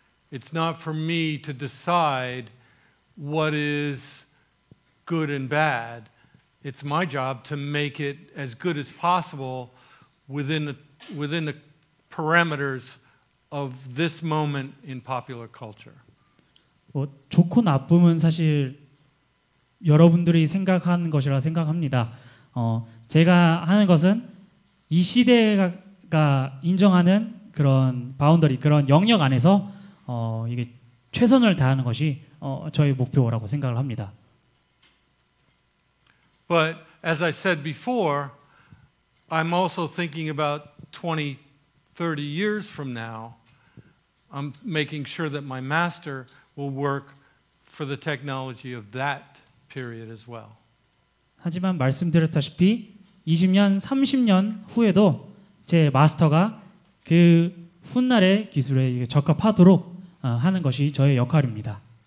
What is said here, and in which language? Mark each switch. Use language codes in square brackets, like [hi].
[en] It's not for me to decide what is good and bad. It's my job to make it as good as possible within the parameters of this moment in popular culture. [ko] 뭐 좋고 나쁨은 사실 여러분들이 생각하는 것이라 생각합니다. 제가 하는 것은 이 시대가 인정하는 그런 바운더리, 그런 영역 안에서 이게 최선을 다하는 것이 저희 목표라고 생각을 합니다. [en] But as I said before, I'm also thinking about 20, 30 years from now. I'm making sure that my master will work for the technology of that period as well. [ko] 하지만 말씀드렸다시피 20년, 30년 후에도 제 마스터가 그 훗날의 기술에 적합하도록 하는 것이 저의 역할입니다.